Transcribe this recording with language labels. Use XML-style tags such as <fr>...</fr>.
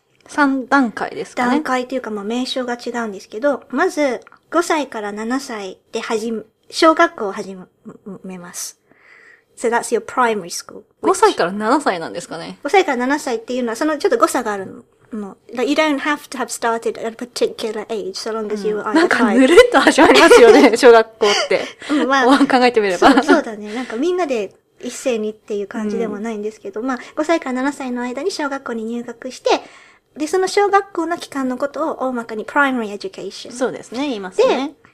<ja>三段階ですかね。段階というか、まあ、名称が違うんですけど、まず、5歳から7歳で小学校を始めます。</ja> <en>So that's your primary school.</en> <ja>5歳から7歳なんですかね。 5歳から7歳っていうのは、そのちょっと誤差があるの。</ja> <en>Like、you don't have to have started at a particular age, so long as you are</en> <ja>なんか、ぬるっと始まりますよね、小学校って。まあ、考えてみれば。そうだね。なんかみんなで一斉にっていう感じでもないんですけど、うん、まあ、5歳から7歳の間に小学校に入学して、で、その小学校の期間のことを大まかに primary education。そうですね、言いますね。</ja>